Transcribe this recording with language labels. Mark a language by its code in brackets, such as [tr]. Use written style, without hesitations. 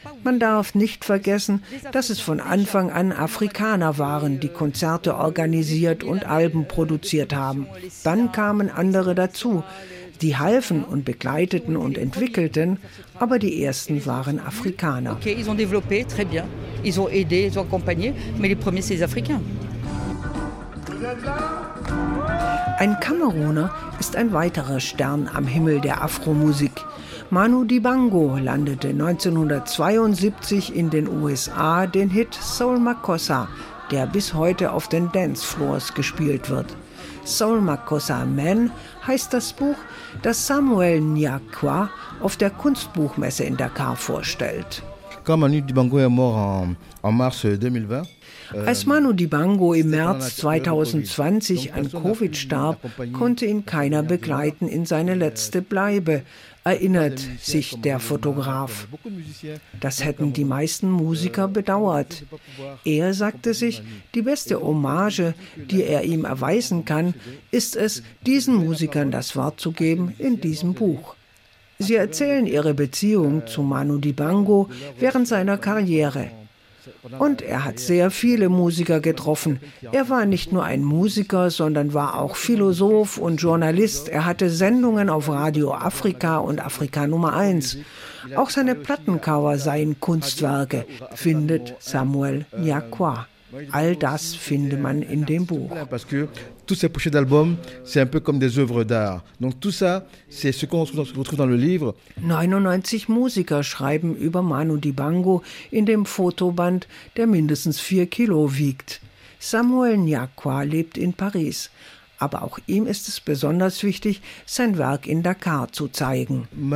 [de] Man darf nicht vergessen, dass es von Anfang an Afrikaner waren, die Konzerte organisiert und Alben produziert haben. Dann kamen andere dazu, die halfen und begleiteten und entwickelten, aber die ersten waren Afrikaner. [fr] Okay, ils ont développé très bien. Ils ont aidé, ils ont accompagné, mais les premiers c'est les Africains. [de] Ein Kameruner ist ein weiterer Stern am Himmel der Afromusik. Manu Dibango landete 1972 in den USA den Hit Soul Makossa, der bis heute auf den Dancefloors gespielt wird. Soul Makossa Man heißt das Buch, das Samuel Nyakwa auf der Kunstbuchmesse in Dakar vorstellt. [fr] Quand Manu Dibango est mort en mars 2020, [de] als Manu Dibango im März 2020 an Covid starb, konnte ihn keiner begleiten in seine letzte Bleibe, erinnert sich der Fotograf. Das hätten die meisten Musiker bedauert. Er sagte sich, die beste Hommage, die er ihm erweisen kann, ist es, diesen Musikern das Wort zu geben in diesem Buch. Sie erzählen ihre Beziehung zu Manu Dibango während seiner Karriere. Und er hat sehr viele Musiker getroffen. Er war nicht nur ein Musiker, sondern war auch Philosoph und Journalist. Er hatte Sendungen auf Radio Afrika und Afrika Nummer 1. Auch seine Plattencover seien Kunstwerke, findet Samuel Nyakwa. All das finde man in dem Buch. [fr] Toutes ces pochettes d'albums, c'est un peu comme des œuvres d'art. Donc tout ça, c'est ce qu'on retrouve dans le livre. [de] 99 Musiker schreiben über Manu Dibango in dem Fotoband, der mindestens 4 Kilo wiegt. Samuel Nyakwa lebt in Paris. Aber auch ihm ist es besonders wichtig, sein Werk in Dakar zu zeigen.